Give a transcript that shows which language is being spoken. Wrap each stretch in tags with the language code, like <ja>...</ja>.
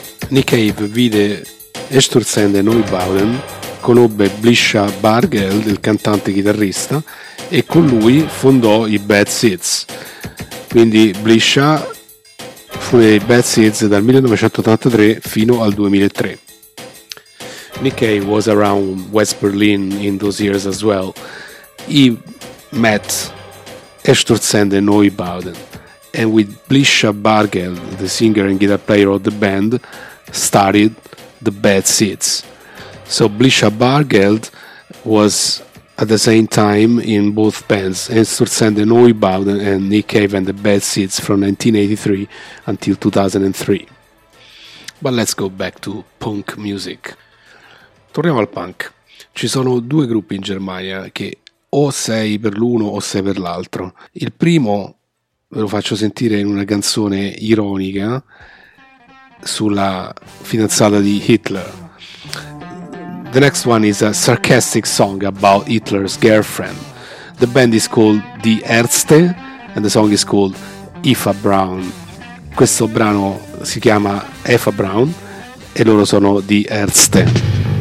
<it>Nick Cave vide Sturzend e Neubauten, conobbe Blisha Bargeld, il cantante chitarrista, e con lui fondò i Bad Seeds. Quindi Blisha fu nei Bad Seeds dal 1983 fino al 2003.</it> <en>Nick Cave was around West Berlin in those years as well. He met Sturzend and Neubauten, and with Blisha Bargeld, the singer and guitar player of the band, started the Bad Seeds. So Blisha Bargeld was at the same time in both bands, Sturzend and Neubauten, and Nick Cave and the Bad Seeds from 1983 until 2003. But let's go back to punk music.</en> <it>Torniamo al punk. Ci sono due gruppi in Germania che o sei per l'uno o sei per l'altro. Il primo ve lo faccio sentire in una canzone ironica sulla fidanzata di Hitler.</it> <en>The next one is a sarcastic song about Hitler's girlfriend. The band is called Die Ärzte and the song is called Eva Braun.</en> <it>Questo brano si chiama Eva Braun e loro sono Die Ärzte.</it>